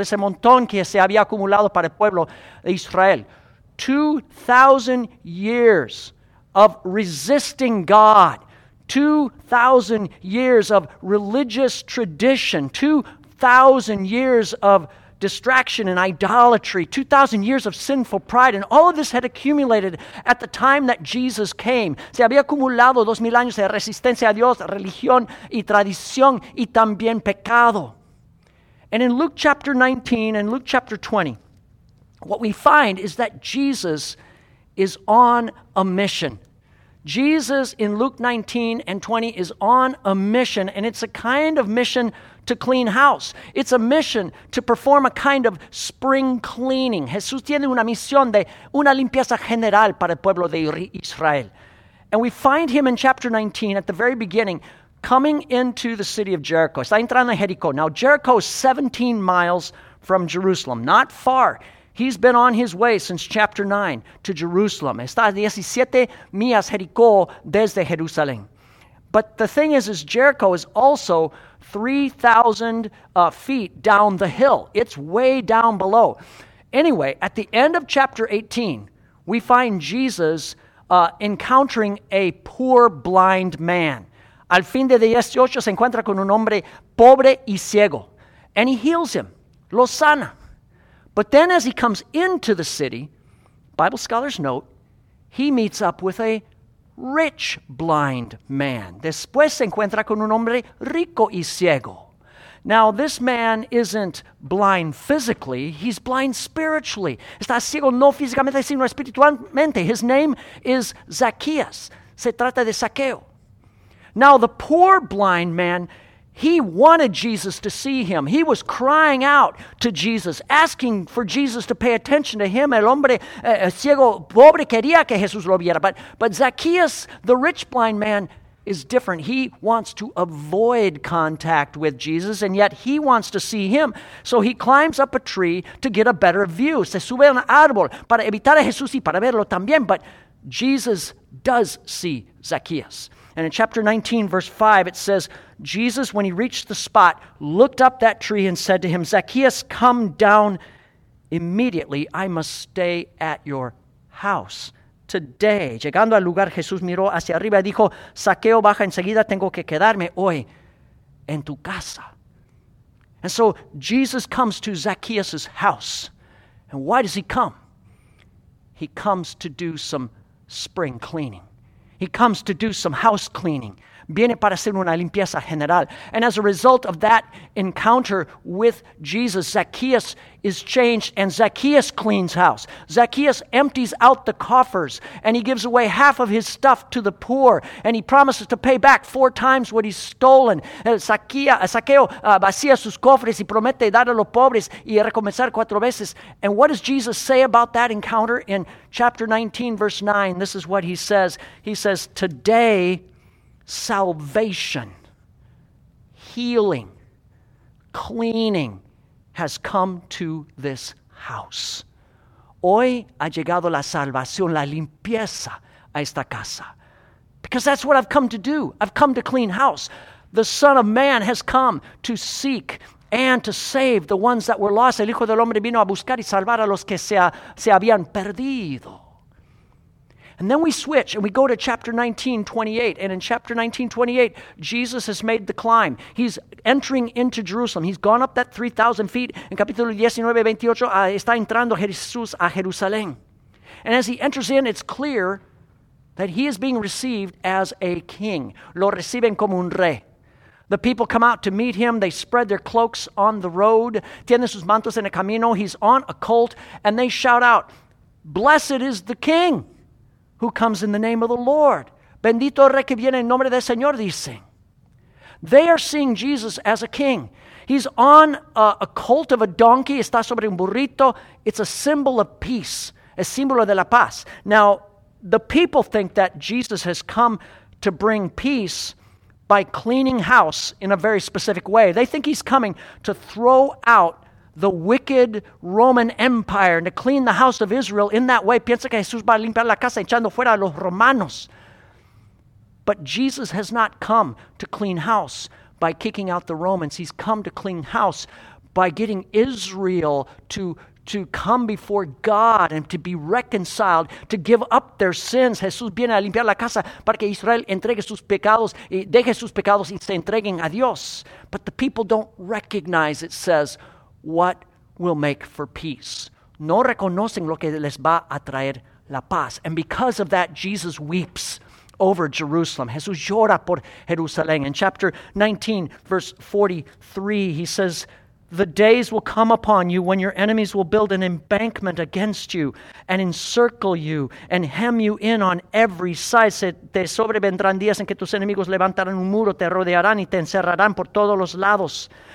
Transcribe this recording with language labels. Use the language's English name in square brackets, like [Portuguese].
[Spanish] Ese montón que se había acumulado para el pueblo de Israel. [English] 2,000 years of resisting God. 2,000 years of religious tradition. 2,000 years of distraction and idolatry, 2,000 years of sinful pride, and all of this had accumulated at the time that Jesus came. [Spanish] Se había acumulado 2,000 años de resistencia a Dios, religión y tradición, y también pecado. [English] And in Luke chapter 19 and Luke chapter 20, what we find is that Jesus is on a mission. Jesus in Luke 19 and 20 is on a mission, and it's a kind of mission to clean house. It's a mission to perform a kind of spring cleaning. [Spanish] Jesús tiene una misión de una limpieza general para el pueblo de Israel. [English] And we find him in chapter 19 at the very beginning coming into the city of Jericho. [Spanish] Está entrando en Jericó. [English] Now Jericho is 17 miles from Jerusalem. Not far. He's been on his way since chapter 9 to Jerusalem. [Spanish] Está 17 millas Jericó desde Jerusalén. [English] But the thing is Jericho is also 3,000 feet down the hill. It's way down below. Anyway, at the end of chapter 18, we find Jesus encountering a poor blind man. [Spanish] Al fin de 18 se encuentra con un hombre pobre y ciego. [English] And he heals him. [Spanish] Lo sana. [English] But then as he comes into the city, Bible scholars note, he meets up with a rich blind man. [Spanish] Después se encuentra con un hombre rico y ciego. [English] Now, this man isn't blind physically. He's blind spiritually. [Spanish] Está ciego no físicamente, sino espiritualmente. [English] His name is Zacchaeus. [Spanish] Se trata de Zaqueo. [English] Now, the poor blind man, He wanted Jesus to see him. He was crying out to Jesus, asking for Jesus to pay attention to him. [Spanish] El hombre ciego pobre quería que Jesús lo viera. [English] But Zacchaeus, the rich blind man, is different. He wants to avoid contact with Jesus, and yet he wants to see him. So he climbs up a tree to get a better view. [Spanish] Se sube a un árbol para evitar a Jesús y para verlo también. [English] But Jesus does see Zacchaeus. And in chapter 19, verse 5, it says, Jesus, when he reached the spot, looked up that tree and said to him, Zacchaeus, come down immediately. I must stay at your house today. [Spanish] Llegando al lugar, Jesús miró hacia arriba y dijo, Zaqueo, baja enseguida, tengo que quedarme hoy en tu casa. [English] And so Jesus comes to Zacchaeus' house. And why does he come? He comes to do some spring cleaning. He comes to do some house cleaning. [Spanish] Viene para hacer una limpieza general. [English] And as a result of that encounter with Jesus, Zacchaeus is changed and Zacchaeus cleans house. Zacchaeus empties out the coffers and he gives away half of his stuff to the poor and he promises to pay back four times what he's stolen. [Spanish] Zacchaeo vacía sus cofres y promete dar a los pobres y recomenzar cuatro veces. [English] And what does Jesus say about that encounter in chapter 19, verse 9? This is what he says. He says, today, salvation, healing, cleaning has come to this house. [Spanish] Hoy ha llegado la salvación, la limpieza a esta casa. [English] Because that's what I've come to do. I've come to clean house. The Son of Man has come to seek and to save the ones that were lost. [Spanish] El Hijo del Hombre vino a buscar y salvar a los que se habían perdido. [English] And then we switch and we go to chapter 19, 28. And in chapter 19, 28, Jesus has made the climb. He's entering into Jerusalem. He's gone up that 3,000 feet. In [Spanish] capítulo 19, 28, está entrando Jesús a Jerusalén. [English] And as he enters in, it's clear that he is being received as a king. [Spanish] Lo reciben como un rey. [English] The people come out to meet him. They spread their cloaks on the road. [Spanish] Tienen sus mantos en el camino. [English] He's on a colt. And they shout out, blessed is the king who comes in the name of the Lord. [Spanish] Bendito rey que viene en nombre del Señor, dicen. [English] They are seeing Jesus as a king. He's on a colt of a donkey. [Spanish] Está sobre un burrito. [English] It's a symbol of peace. [Spanish] Es símbolo de la paz. [English] Now, the people think that Jesus has come to bring peace by cleaning house in a very specific way. They think he's coming to throw out the wicked Roman Empire and to clean the house of Israel in that way. [Spanish] Piensa que Jesús va a limpiar la casa echando fuera a los romanos. [English] But Jesus has not come to clean house by kicking out the Romans. He's come to clean house by getting Israel to come before God and to be reconciled, to give up their sins. [Spanish] Jesús viene a limpiar la casa para que Israel entregue sus pecados y deje sus pecados y se entreguen a Dios. [English] But the people don't recognize, it says, what will make for peace. [Spanish] No reconocen lo que les va a traer la paz. [English] And because of that, Jesus weeps over Jerusalem. [Spanish] Jesús llora por Jerusalén. [English] In chapter 19, verse 43, he says, the days will come upon you when your enemies will build an embankment against you and encircle you and hem you in on every side. [Spanish] Se te sobrevendrán días en que tus enemigos levantarán un muro, te rodearán y te encerrarán por todos los lados.